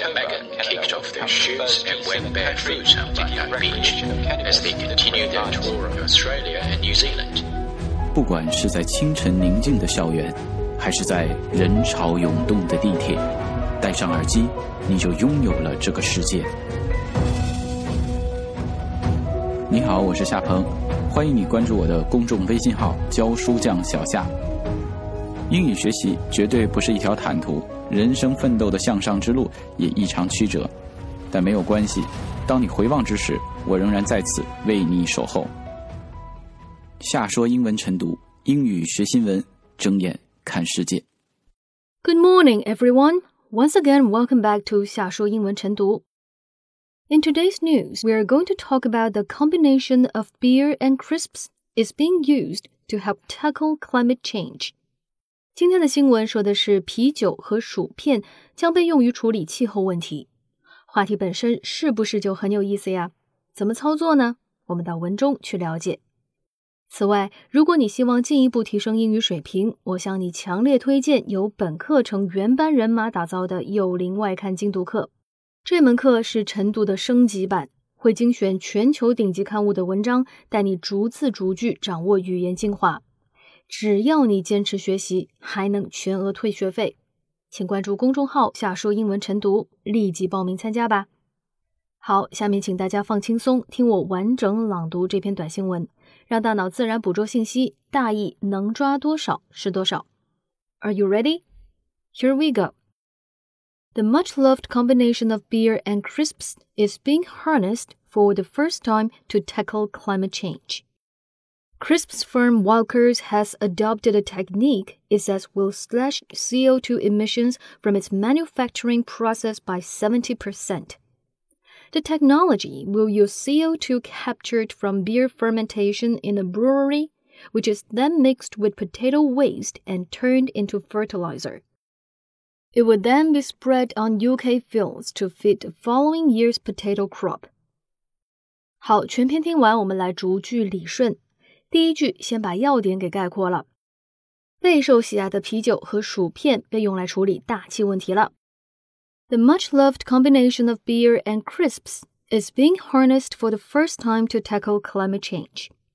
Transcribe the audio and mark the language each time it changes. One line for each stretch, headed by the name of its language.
English: and Megan kicked off their shoes and went barefoot on Bondi Beach as they continued their tour of Australia and New Zealand.
Chinese: 不管是在清晨宁静的校园，还是在人潮涌动的地铁，戴上耳机，你就拥有了这个世界。你好，我是夏鹏，欢迎你关注我的公众微信号“教书匠小夏”。英语学习绝对不是一条坦途，人生奋斗的向上之路也异常曲折，但没有关系，当你回望之时，我仍然在此为你守候。夏说英文晨读，英语学新闻，睁眼看世界。
English: Good morning, everyone. Once again, welcome back to 夏说英文晨读。 In today's news, we are going to talk about the combination of beer and crisps is being used to help tackle climate change.
Chinese: 今天的新闻说的是啤酒和薯片将被用于处理气候问题。话题本身是不是就很有意思呀？怎么操作呢？我们到文中去了解。此外，如果你希望进一步提升英语水平，我向你强烈推荐由本课程原班人马打造的有灵外刊精读课。这门课是晨读的升级版，会精选全球顶级刊物的文章，带你逐字逐句掌握语言精华。只要你坚持学习，还能全额退学费。请关注公众号夏说英文晨读，立即报名参加吧。好，下面请大家放轻松，听我完整朗读这篇短新闻，让大脑自然捕捉信息，大意能抓多少是多少。
English: Are you ready? Here we go. The much-loved combination of beer and crisps is being harnessed for the first time to tackle climate change. Crisps firm Walkers has adopted a technique it says will slash CO2 emissions from its manufacturing process by 70%. The technology will use CO2 captured from beer fermentation in a brewery, which is then mixed with potato waste and turned into fertilizer. It would then be spread on UK fields to feed the following year's potato crop.
Chinese: 好，全篇听完，我们来逐句理顺。第一句先把要点给概括了。备受喜爱的啤酒和薯片被用来处理大气问题了。
English: The much-loved combination of beer and crisps is being harnessed for the first time to tackle climate change.